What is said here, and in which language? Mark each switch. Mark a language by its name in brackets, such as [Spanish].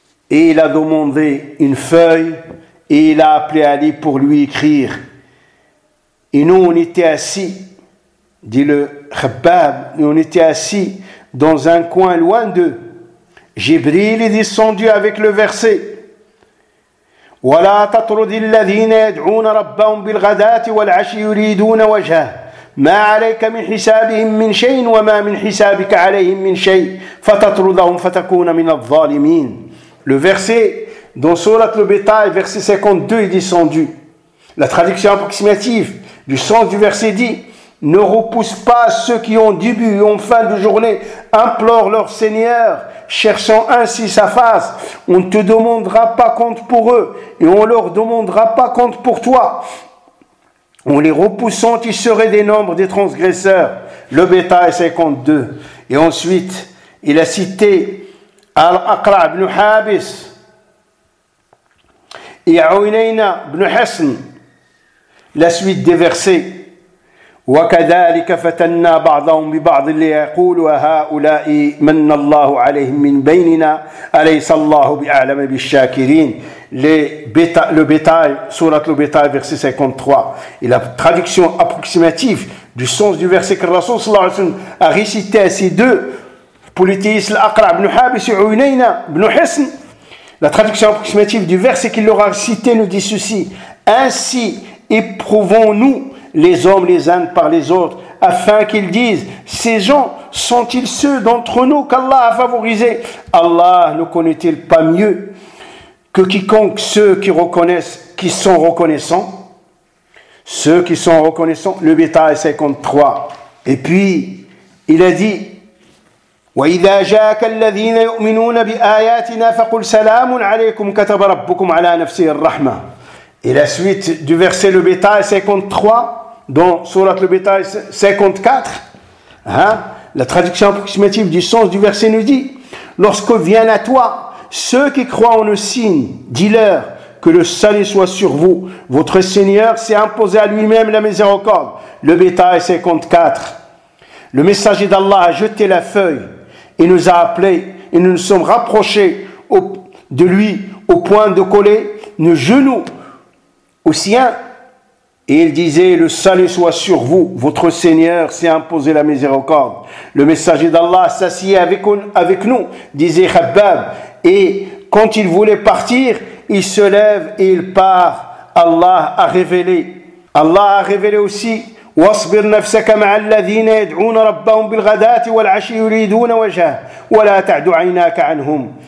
[French] Et il a demandé une feuille et il a appelé Ali pour lui écrire. Et nous, on était assis, dit le Khabbab, on était assis dans un coin loin d'eux. Jibril est descendu avec le verset. [Arabic] ولا تطرد الذين يدعون ربهم بالغداة والعشي يريدون وجهه ما عليك من حسابهم من شيء وما من حسابك عليهم من شيء فتطردهم فتكون من الظالمين. [French] Le verset dans Sourate Al-Bétail, verset 52, est descendu. La traduction approximative du sens du verset dit: ne repousse pas ceux qui ont début et ont fin de journée, implore leur Seigneur, cherchant ainsi sa face. On ne te demandera pas compte pour eux et on ne leur demandera pas compte pour toi. En les repoussant, tu serais des nombres des transgresseurs. Le Bétail 52. Et ensuite, il a cité Al-Aqla ibn Habis et Aouineina ibn Hassan, la suite des versets. [Arabic] وكذلك فتنا بعضهم ببعض ليقولوا هؤلاء من الله عليهم من بيننا أليس الله بأعلم بالشاكرين. [French] Le bétail, sourate le bétail, verset 53. Et la traduction approximative du sens du verset que le Rasoul [Arabic] sallallahu alayhi wa sallam [French] a récité à ces deux polythéistes, l'Aqra ibn Habis et Uyunayna ibn Hassan. La traduction approximative du verset qu'il leur a récité nous dit ceci: ainsi éprouvons-nous les hommes les uns par les autres, afin qu'ils disent, ces gens sont-ils ceux d'entre nous qu'Allah a favorisés? Allah ne connaît-il pas mieux que quiconque ceux qui reconnaissent, qui sont reconnaissants? Ceux qui sont reconnaissants, le bétail 53. Et puis, il a dit, [Arabic] وَإِذَا جَاءَكَ الَّذِينَ يُؤْمِنُونَ بِآيَاتِنَا فَقُلْ سَلَامٌ عَلَيْكُمْ كَتَبَ رَبُّكُمْ عَلَى نَفْسِهِ الرَّحْمَةِ. [French] Et la suite du verset le bétail 53, dans Surat le bétail 54, hein, la traduction approximative du sens du verset nous dit: lorsque viennent à toi ceux qui croient en le signe, dis-leur que le salut soit sur vous, votre Seigneur s'est imposé à lui-même la miséricorde. Le bétail 54. Le messager d'Allah a jeté la feuille et nous a appelés, et nous nous sommes rapprochés de lui au point de coller nos genoux au sien, et il disait: le salut soit sur vous, votre Seigneur s'est imposé la miséricorde. Le messager d'Allah s'assied avec nous, disait Khabbab, et quand il voulait partir, il se lève et il part. Allah a révélé. Allah a révélé aussi: [Arabic] واصبر نفسك مع الذين يدعون ربهم بالغداة والعشي يريدون وجهه ولا تعد عيناك عنهم.